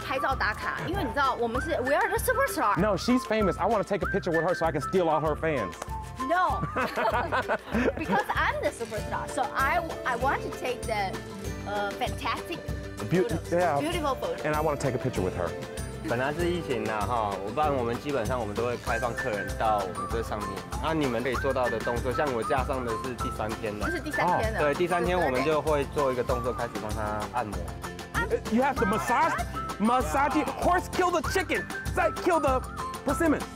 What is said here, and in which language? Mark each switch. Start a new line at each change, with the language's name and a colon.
Chinese: 是品种不一样。品种不一样。它的是长形的。我们的是圆的。对。了解。那我们如果要做这个赛事子，我们是要用怎么弄？用机器采吗？还是要人工采？人工采是因为我们是要挑7到8分熟，因为你太轻的话，做出来甜度会不太够。对。那太熟的话，熟度又太软，削皮不好削。老板，那我们要在哪里拍照打卡？因为你知道，我们是
English: we are the superstar. No, she's famous. I want to take a picture with her so I can steal all her fans. No. Because I'm the superstar, so I want to take the fantastic beautiful photo. And I want to take a picture with her.
Chinese: 本来是疫情啊，我们基本上我们都会开放客人到我们这上面。那你们可以做到的动作，像我架上的是第三天了。这是第三天。对，第三天我们就会做一个动作，开始帮他按摩。
English: You have to massage, massage. Horse kill the chicken, then kill the persimmons.